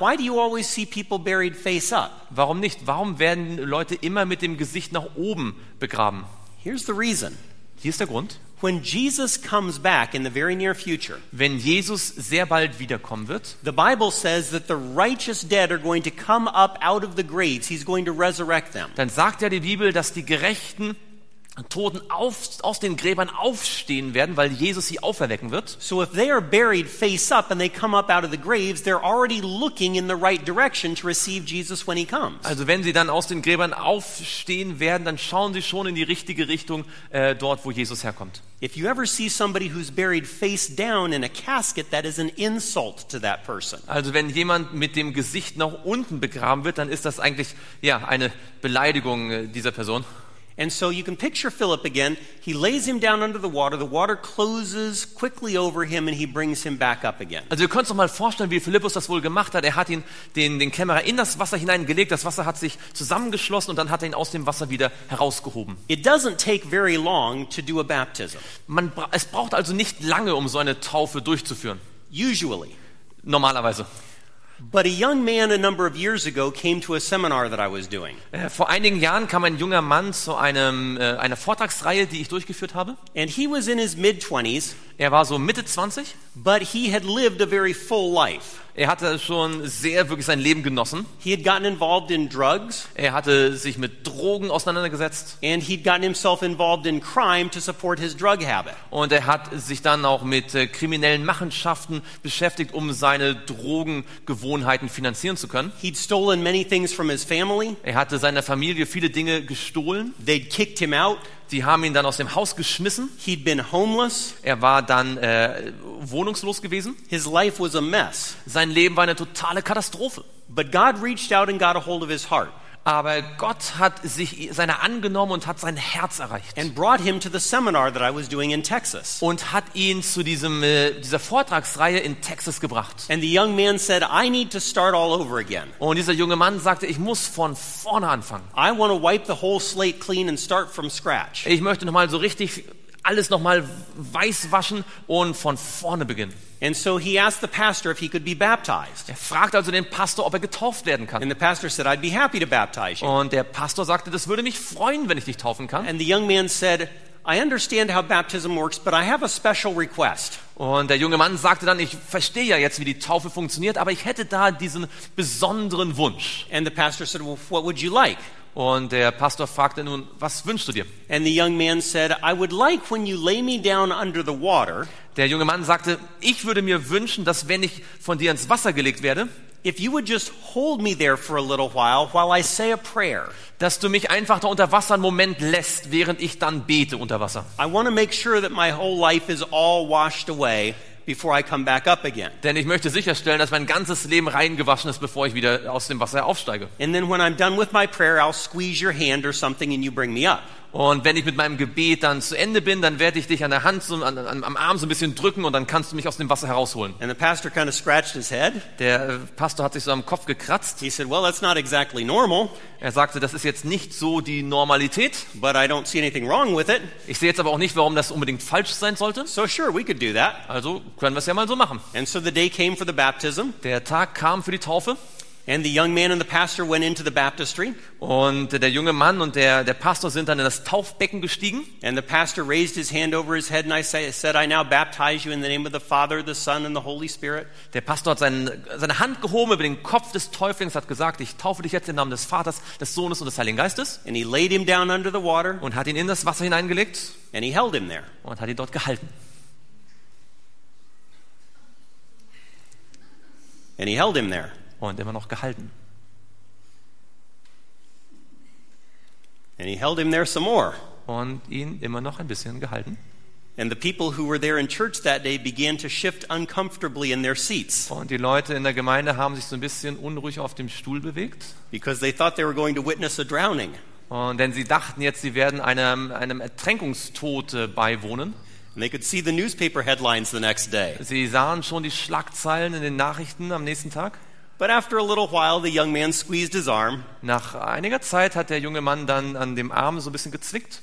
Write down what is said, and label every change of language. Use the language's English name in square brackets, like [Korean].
[English] Why do you always see people buried face up? [German] Warum nicht? Warum werden Leute immer mit dem Gesicht nach oben begraben? [English] Here's the reason. [German] Hier ist der Grund. [English] When Jesus comes back in the very near future, [German] wenn Jesus sehr bald wiederkommen wird, [English] the Bible says that the righteous dead are going to come up out of the graves. He's going to resurrect them. [German] Dann sagt ja die Bibel, dass die Gerechten Toten aus den Gräbern aufstehen werden, weil Jesus sie auferwecken wird. [English] So if they are buried face up and they come up out of the graves, they're already looking in the right direction to receive Jesus when he comes. [German] Also wenn sie dann aus den Gräbern aufstehen werden, dann schauen sie schon in die richtige Richtung, dort wo Jesus herkommt. [English] If you ever see somebody who's buried face down in a casket, that is an insult to that person. [German] Also wenn jemand mit dem Gesicht nach unten begraben wird, dann ist das eigentlich ja eine Beleidigung dieser Person. [English] And so you can picture Philip again. He lays him down under the water. The water closes quickly over him and he brings him back up again. [German] Also, ihr könnt euch mal vorstellen, wie Philippus das wohl gemacht hat. Er hat ihn den Kämmerer in das Wasser hineingelegt. Das Wasser hat sich zusammengeschlossen und dann hat er ihn aus dem Wasser wieder herausgehoben. [English] It doesn't take very long to do a baptism. [German] Es braucht also nicht lange, um so eine Taufe durchzuführen. [English] Usually. [German] Normalerweise. [English] But a young man a number of years ago came to a seminar that I was doing. [German] Vor einigen Jahren kam ein junger Mann zu einer Vortragsreihe, die ich durchgeführt habe. [English] And he was in his mid-20s. [German] Er war so Mitte 20. [English] But he had lived a very full life. [German] Er hatte schon sehr wirklich sein Leben genossen. [English] He had gotten involved in drugs. [German] Er hatte sich mit Drogen auseinandergesetzt. [English] And he'd gotten himself involved in crime to support his drug habit. [German] Und er hat sich dann auch mit kriminellen Machenschaften beschäftigt, um seine Drogengewohnheiten finanzieren zu können. [English] He'd stolen many things from his family. [German] Er hatte seiner Familie viele Dinge gestohlen. [English] They'd kicked him out. [German] Die haben ihn dann aus dem Haus geschmissen. [English] He'd been homeless. [German] Er war dann wohnungslos gewesen. [English] His life was a mess. [German] Sein Leben war eine totale Katastrophe. [English] But God reached out and got a hold of his heart. [German] Aber Gott hat sich seiner angenommen und hat sein Herz erreicht. [English] And brought him to the seminar that I was doing in Texas. [German] Und hat ihn zu dieser Vortragsreihe in Texas gebracht. [English] And the young man said, I need to start all over again. [German] Und dieser junge Mann sagte, ich muss von vorne anfangen. [English] I want to wipe the whole slate clean and start from scratch. [German] Ich möchte nochmal so richtig alles nochmal weiß waschen und von vorne beginnen. [English] And so he asked the pastor if he could be baptized. [German] Er fragt also den Pastor, ob er getauft werden kann. [English] And the pastor said, I'd be happy to baptize you. [German] Und der Pastor sagte, das würde mich freuen, wenn ich dich taufen kann. [English] And the young man said, I understand how baptism works, but I have a special request. [German] Und der junge Mann sagte dann, ich verstehe ja jetzt, wie die Taufe funktioniert, aber ich hätte da diesen besonderen Wunsch. [English] And the pastor said, well, what would you like? [German] Und der Pastor fragte nun, was wünschst du dir? [English] And the young man said, I would like when you lay me down under the water. [German] Der junge Mann sagte, ich würde mir wünschen, dass wenn ich von dir ins Wasser gelegt werde, [English] if you would just hold me there for a little while I say a prayer. [German] Dass du mich einfach da unter Wasser einen Moment lässt, während ich dann bete unter Wasser. [English] I want to make sure that my whole life is all washed away before I come back up again. [German] Denn ich möchte sicherstellen, dass mein ganzes Leben reingewaschen ist, bevor ich wieder aus dem Wasser aufsteige. [English] And then when I'm done with my prayer, I'll squeeze your hand or something and you bring me up. [German] Und wenn ich mit meinem Gebet dann zu Ende bin, dann werde ich dich an der Hand, am Arm so ein bisschen drücken und dann kannst du mich aus dem Wasser herausholen. [English] And the pastor kind of scratched his head. [German] Der Pastor hat sich so am Kopf gekratzt. [English] He said, well, that's not exactly normal. [German] Er sagte, das ist jetzt nicht so die Normalität. [English] But I don't see anything wrong with it. [German] Ich sehe jetzt aber auch nicht, warum das unbedingt falsch sein sollte. [English] So sure, we could do that. [German] Also können wir es ja mal so machen. [English] And so the day came for the baptism. [German] Der Tag kam für die Taufe. [English] And the young man and the pastor went into the baptistry. [German] Und der junge Mann und der Pastor sind dann in das Taufbecken gestiegen. [English] And the pastor raised his hand over his head and said, I now baptize you in the name of the Father, the Son and the Holy Spirit. [German] Der Pastor hat seine Hand gehoben über den Kopf des Täuflings, hat gesagt, ich taufe dich jetzt im Namen des Vaters, des Sohnes und des Heiligen Geistes. [English] And he laid him down under the water. [German] Und hat ihn in das Wasser hineingelegt. [English] And he held him there. [German] Und hat ihn dort gehalten. [English] And he held him there. [German] Und immer noch gehalten. [English] And he held him there some more. [German] Und ihn immer noch ein bisschen gehalten. [English] And the people who were there in church that day began to shift uncomfortably in their seats. [German] Und die Leute in der Gemeinde haben sich so ein bisschen unruhig auf dem Stuhl bewegt. [English] Because they thought they were going to witness a drowning. [German] Und denn sie dachten jetzt, sie werden einem Ertränkungstod beiwohnen. [English] And they could see the newspaper headlines the next day. [German] Sie sahen schon die Schlagzeilen in den Nachrichten am nächsten Tag. [English] But after a little while, the young man squeezed his arm. [German] Nach einiger Zeit hat der junge Mann dann an dem Arm so ein bisschen gezwickt.